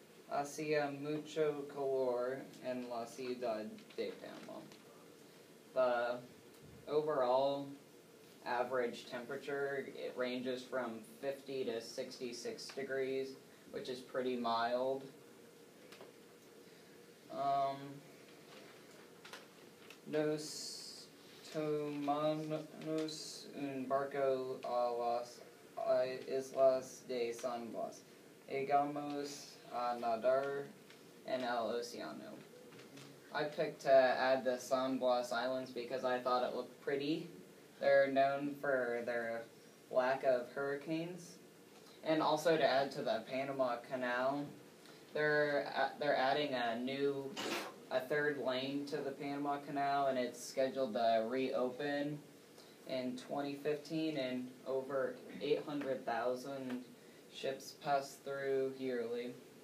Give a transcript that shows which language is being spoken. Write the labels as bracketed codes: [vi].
[es] Hacía mucho calor en la Ciudad de Panama. [en] The overall average temperature, it ranges from 50 to 66 degrees, which is pretty mild. [es] Nos tomamos un barco a las Islas de San Blas. Llegamos a nadar en el océano. [en] I picked to add the San Blas Islands because I thought it looked pretty. They're known for their lack of hurricanes. And also to add to the Panama Canal, they're adding a third lane to the Panama Canal, and it's scheduled to reopen in 2015, and over 800,000 ships pass through yearly.